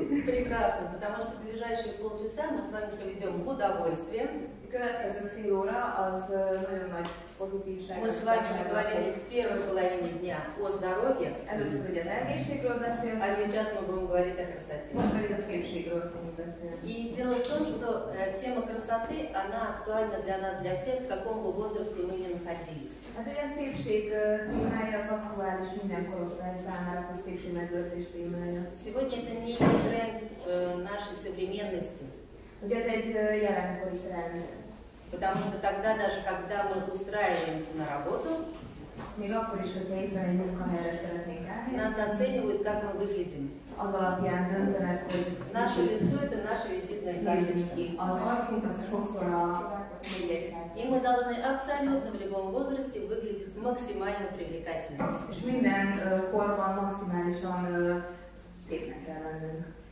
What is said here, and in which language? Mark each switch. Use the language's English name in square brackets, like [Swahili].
[Russian] Прекрасно, потому что в ближайшие полчаса мы с вами проведем в удовольствии. [Hungarian] Következő fél óra az nagyon nagy pozitívság. [Russian] Мы с вами говорили в первой половине дня о здоровье. [Hungarian] Először ugye az egészségről beszélünk. [Russian] А сейчас мы будем говорить о красоте. [Hungarian] Most pedig az egészségről fogunk beszélni. [Russian] И дело в том, что тема красоты, она актуальна для нас, для всех, в каком бы возрасте мы ни находились. [Hungarian] Hát ugye a szépség témája az aktuális minden korosztály számára, a szépség megőrzés témája. [Russian] Сегодня это не есть тренд нашей современности. [Hungarian] Ugye ez egy jelenkori trend. [Russian] Потому что тогда, даже когда мы устраиваемся на работу, [Hungarian] még akkor is, hogyha itt van egy munkahelyre szeretnénk elhelyezni, [Russian] нас оценивают, как мы выглядим. [Hungarian] Az alapján döntenek, hogy [Russian] наше лицо – это наши визитные карточки. [Hungarian] Az arcunk, az sokszor a jegyek. [Russian] И мы должны абсолютно в любом возрасте выглядеть максимально привлекательно. [Hungarian] És minden korban максимálisan szépnek kell lennünk.